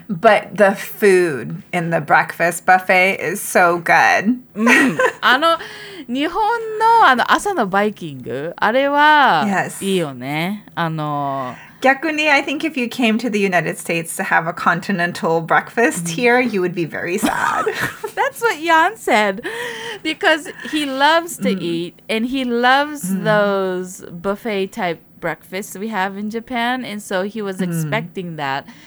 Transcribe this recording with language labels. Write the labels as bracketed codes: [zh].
[en] But the food in the breakfast buffet is so good. 、 [ja] うん、あの日本 の、 あの朝のバイキング、あれはいいよね。あの [en] 逆に、I think if you came to the United States to have a continental breakfast here, you would be very sad. That's what Jan said. Because he loves to eat, and he loves those buffet-type breakfasts we have in Japan, and so he was expecting that.